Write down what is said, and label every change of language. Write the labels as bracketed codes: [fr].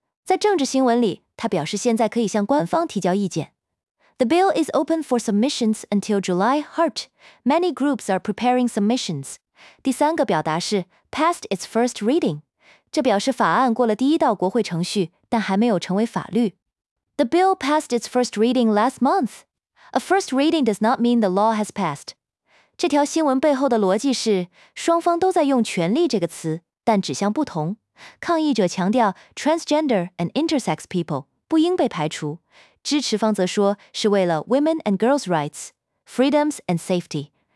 [zh] 在政治新闻里，它表示现在可以向官方提交意见。 [en] The bill is open for submissions until July 3rd. Many groups are preparing submissions. [zh] 第三个表达是 [en] passed its first reading. [zh] 这表示法案过了第一道国会程序，但还没有成为法律。 [en] The bill passed its first reading last month. A first reading does not mean the law has passed. [zh] 这条新闻背后的逻辑是，双方都在用权利这个词，但指向不同。抗议者强调 [en] transgender and intersex people [zh] 不应被排除，支持方则说是为了 [en] women and girls' rights, freedoms and safety.